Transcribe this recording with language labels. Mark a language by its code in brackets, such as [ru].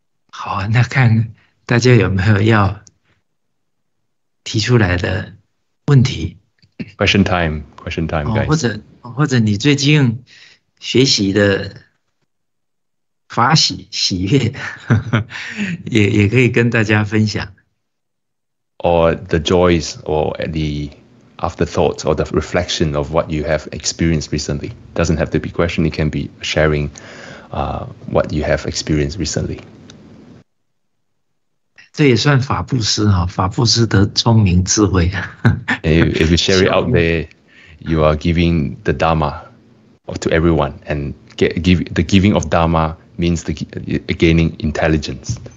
[zh] 好，那看大家有没有要提出来的问题。 [en] Question time, guys. [zh] 或者你最近学习的法喜喜悦，也可以跟大家分享。 [en] Or the joys, or the afterthoughts, or the reflection of what you have experienced recently. Doesn't have to be question, it can be sharing what you have experienced recently. [zh] 这也算法布施啊，法布施的聪明智慧。 [en] If you share it out there, you are giving the Dharma to everyone, and the giving of Dharma means the gaining intelligence.